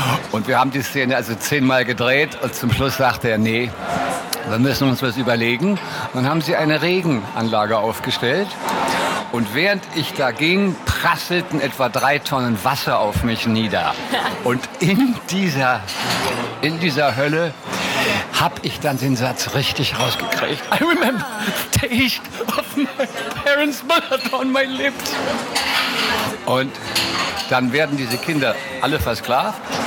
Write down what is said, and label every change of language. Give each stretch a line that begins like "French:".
German: Und wir haben die Szene also 10-mal gedreht und zum Schluss sagte er, nee, wir müssen uns was überlegen. Dann haben sie eine Regenanlage aufgestellt. Und während ich da ging, prasselten etwa 3 Tonnen Wasser auf mich nieder. Und in dieser Hölle habe ich dann den Satz richtig rausgekriegt.
English: I remember the taste of my parents' blood on my lips.
German: Und dann werden diese Kinder alle versklavt.